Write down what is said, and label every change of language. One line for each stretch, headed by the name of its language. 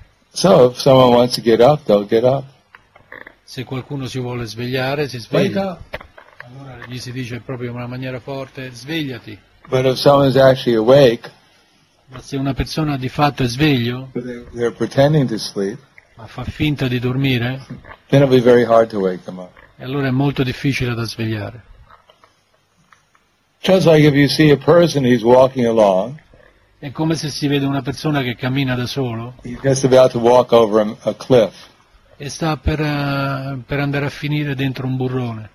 English: So if someone wants to get up, they'll get up.
Italian: Se qualcuno si vuole svegliare, si sveglia.
English: Wake up.
Italian: Allora gli si dice proprio in una maniera forte, svegliati.
English: But if someone's actually awake,
Italian: ma se una persona di fatto è sveglio,
English: they're pretending to sleep,
Italian: ma fa finta di dormire,
English: then it'll be very hard to wake them up.
Italian: E allora è molto difficile da svegliare.
English: Just like if you see a person, he's walking along.
Italian: È come se si vede una persona che cammina da solo.
English: He's just about to walk over a cliff.
Italian: E sta per andare a finire dentro un burrone.